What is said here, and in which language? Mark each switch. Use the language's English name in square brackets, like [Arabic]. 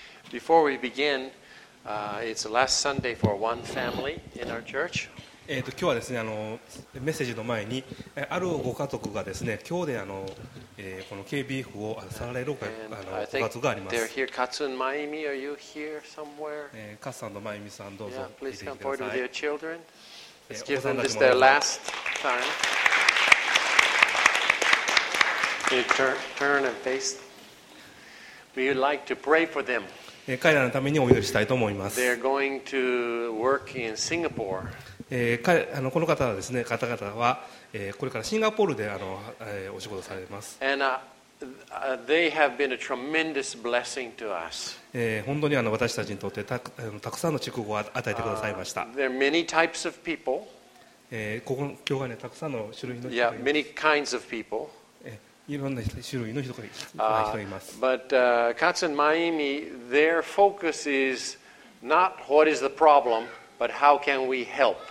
[English] Before we begin, it's the last Sunday for one family in our church. [Japanese] 今日はですね、メッセージの前に、あるご家族がですね、今日でこの KBF を去られるご家族があります。 [English] They're here, Katsu and Mayumi. Are you here somewhere? [Japanese] カツさんとマユミさん、どうぞ。 [English] Yeah, please come forward with your children. Let's give them this their last time. You turn and face. We would like to pray for them. [Japanese] 彼らのためにお祈りしたいと思います。 [English] They're going to work in Singapore. [Japanese] この方はですね、方々は、これからシンガポールでお仕事されます。 [English] And, they have been a tremendous blessing to us. [Japanese] 本当に私たちにとってたくさんの祝福を与えてくださいました。 [English] There are many types of people. [Japanese] ここの教会にはたくさんの種類の人がいます。 [English] Yeah, many kinds of people. [Japanese] いろんな種類の人がいます。 [English] But Katsu and Mayumi, their focus is not what is the problem, but how can we help.